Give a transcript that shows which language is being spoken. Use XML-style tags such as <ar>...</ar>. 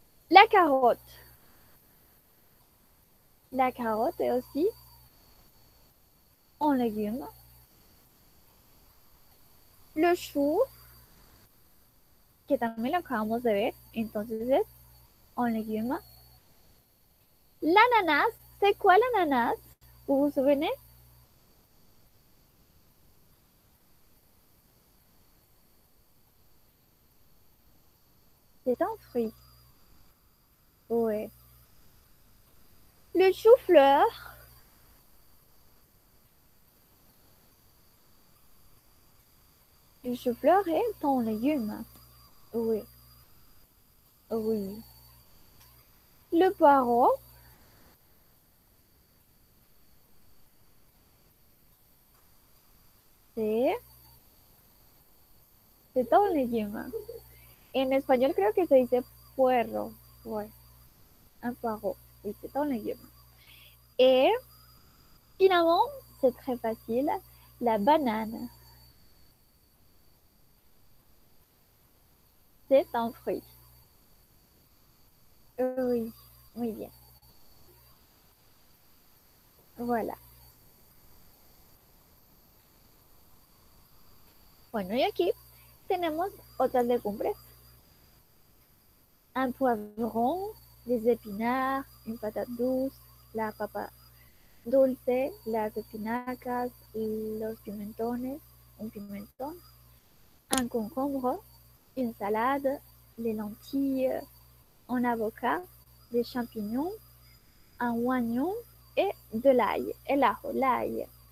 <fr>La carotte. La carotte est aussi un légume.</fr> <es>Le chou, que también lo acabamos de ver, entonces es un légume.</es> <fr>L'ananas, ¿c'est quoi l'ananas? ¿Vous vous souvenez? C'est un fruit. Ouais. Le chou-fleur. Le chou-fleur est un légume. Oui. Oui. Le poireau. C'est un légume.</fr> <es>En español creo que se dice puerro.</es> <fr>Ouais. Un poireau, oui, c'est un légume. Et finalement, c'est très facile, la banane. C'est un fruit. Oui, bien. Voilà.</fr> <es>Bueno, y aquí tenemos otras legumbres.</es> <fr>Un poivron. Les épinards, une patate douce,</fr> <es>la papa dulce, las espinacas, los pimentones, un pimentón,</es> <fr>un concombre, une salade, les lentilles, un avocat, des champignons, un oignon et de l'ail,</fr> <es>el ajo,</es> <fr>l'ail.</fr>